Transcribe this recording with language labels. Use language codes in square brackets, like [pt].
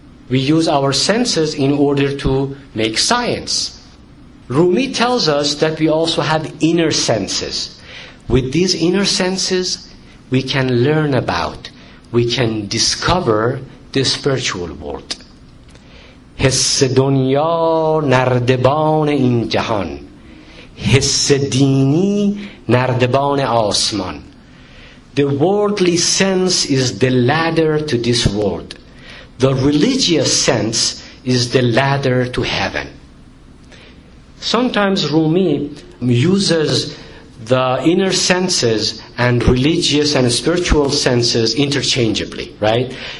[en] We use our senses in order to make science. Rumi tells us that we also have inner senses. With these inner senses, we can learn about, we can discover the spiritual world. [fa] حس دنیا نردبان این جهان حس دینی نردبان آسمان. [en] The worldly sense is the ladder to this world. The religious sense is the ladder to heaven. Sometimes Rumi uses the inner senses and religious and spiritual senses interchangeably, right?